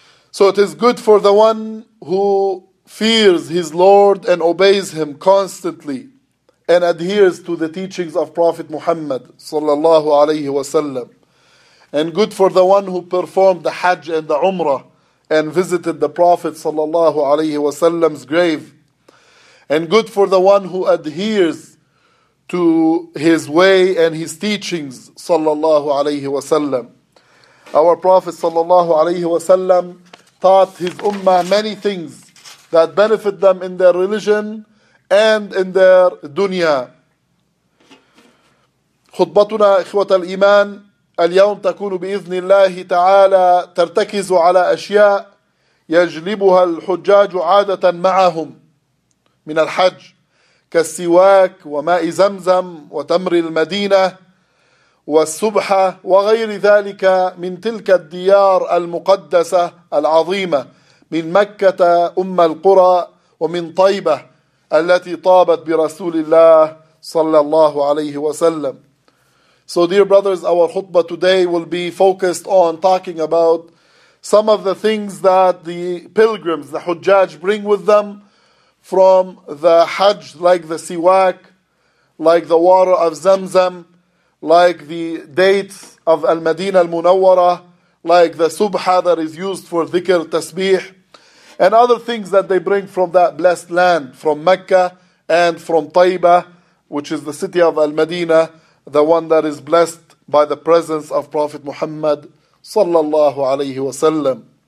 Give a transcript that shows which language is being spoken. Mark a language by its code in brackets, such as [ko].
[en] So it is good for the one who fears his Lord and obeys him constantly and adheres to the teachings of Prophet Muhammad sallallahu alayhi wa sallam, and good for the one who performed the Hajj and the Umrah and visited the Prophet sallallahu alayhi wa sallam's grave, and good for the one who adheres to his way and his teachings sallallahu alayhi wa sallam. Our Prophet sallallahu alayhi wa sallam taught his ummah many things that benefit them in their religion and in their dunya. [ar] خطبتنا إخوة الإيمان اليوم تكون بإذن الله تعالى ترتكز على أشياء يجلبها الحجاج عادة معهم من الحج كالسواك وماء زمزم وتمر المدينة والسبحة وغير ذلك من تلك الديار المقدسة العظيمة من مكة أم القرى ومن طيبة التي طابت برسول الله صلى الله عليه وسلم. [en] So dear brothers, our khutbah today will be focused on talking about some of the things that the pilgrims, the hujjaj, bring with them from the Hajj, like the siwak, like the water of Zamzam, like the dates of Al-Madinah Al-Munawwara, like the subha that is used for dhikr, tasbih, and other things that they bring from that blessed land, from Mecca and from Taiba, which is the city of Al-Madinah, the one that is blessed by the presence of Prophet Muhammad sallallahu alayhi wa sallam.